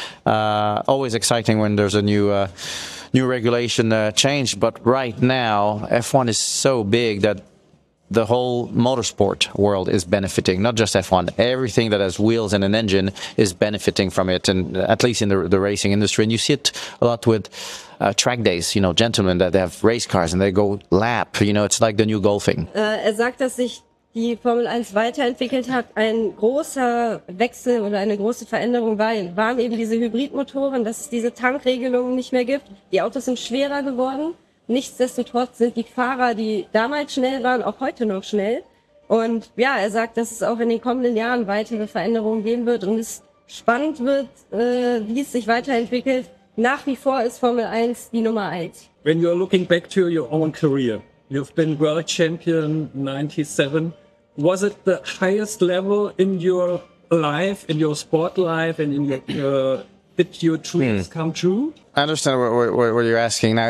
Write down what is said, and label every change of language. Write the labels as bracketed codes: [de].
[en] Always exciting when there's a new regulation change, but right now F1 is so big that the whole motorsport world is benefiting, not just F1. Everything that has wheels and an engine is benefiting from it, and at least in the racing industry. And you see it a lot with track days, you know, gentlemen that they have race cars and they go lap, you know, it's like the new golfing. [de] Er sagt, dass sich die Formel 1 weiterentwickelt hat. Ein großer Wechsel oder eine große Veränderung waren eben diese Hybridmotoren, dass es diese Tankregelungen nicht mehr gibt. Die Autos sind schwerer geworden. Nichtsdestotrotz sind die Fahrer, die damals schnell waren, auch heute noch schnell. Und ja, er sagt, dass es auch in den kommenden Jahren weitere Veränderungen geben wird und es spannend wird, wie es sich weiterentwickelt. Nach wie vor ist Formel 1 die Nummer 1. [en] When you're looking back to your own career, you've been world champion 97. Was it the highest level in your life, in your sport life, and in your, did your dreams come true? I understand what you're asking now.